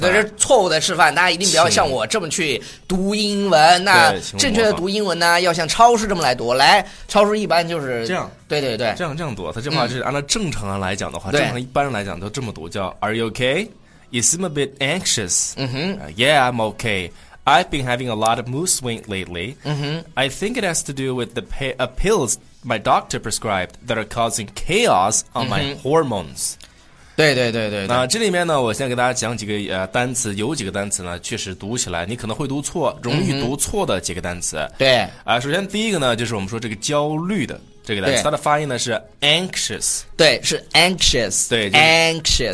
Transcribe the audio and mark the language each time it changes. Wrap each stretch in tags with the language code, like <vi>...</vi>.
<zh>对对对，这是错误的示范，大家一定不要像我这么去读英文。那正确的读英文呢，要像超市这么来读。来，超市一般就是这样。对对对，这样读。他这话就是按照正常人来讲的话，正常一般人来讲都这么读，叫</zh> <en>Are you okay? You seem a bit anxious. 嗯哼。 Yeah, I'm okay. I've been having a lot of mood swing lately. 嗯哼。 I think it has to do with the pills. My doctor prescribed that are causing chaos on my hormones.、</en> <zh>嗯、对对对对。那这里面呢，我先给大家讲几个单词，有几个单词呢，确实读起来你可能会读错，容易读错的几个单词。对、嗯。首先第一个呢，就是我们说这个焦虑的这个单词，它的发音呢是 anxious。对，是 anxious。对、就是、，anxious。</zh>